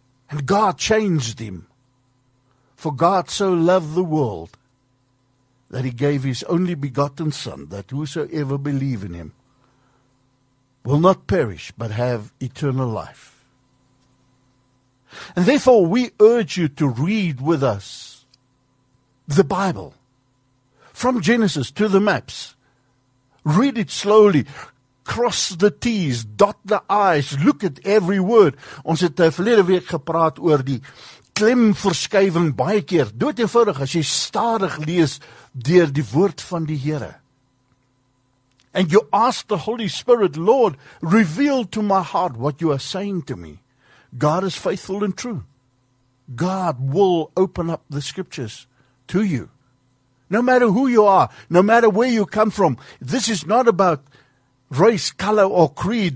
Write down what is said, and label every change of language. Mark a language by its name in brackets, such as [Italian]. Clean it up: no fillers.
[English] And God changed him. "For God so loved the world that he gave his only begotten Son, that whosoever believe in him will not perish, but have eternal life." And therefore, we urge you to read with us the Bible, from Genesis to the maps. Read it slowly. Cross the T's, dot the I's, look at every word. [Afrikaans] Ons het verlede week gepraat oor die klemverskuiving baie keer. Dood eenvoudig, as jy stadig lees deur die woord van die Here. [English] And you ask the Holy Spirit, "Lord, reveal to my heart what you are saying to me." God is faithful and true. God will open up the scriptures to you. No matter who you are, no matter where you come from, this is not about race, color, or creed.